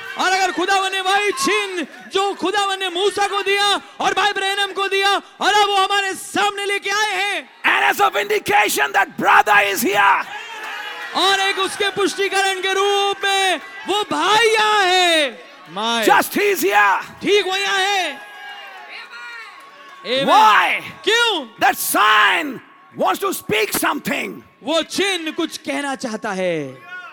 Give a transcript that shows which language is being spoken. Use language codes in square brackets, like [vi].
[hi] और अगर खुदा ने वही चिन्ह जो खुदा ने मूसा को दिया और भाई ब्रैनम को दिया और अब वो हमारे सामने लेके आए हैं. [en] And as a vindication that brother is here. [hi] और एक उसके पुष्टिकरण के रूप में वो भाई यहाँ है. [en] Just he is here. [hi] ठीक वो यहाँ है. [en] Why? [hi] क्यों? [en] That sign wants to speak something. [hi] वो चिन्ह कुछ कहना चाहता है.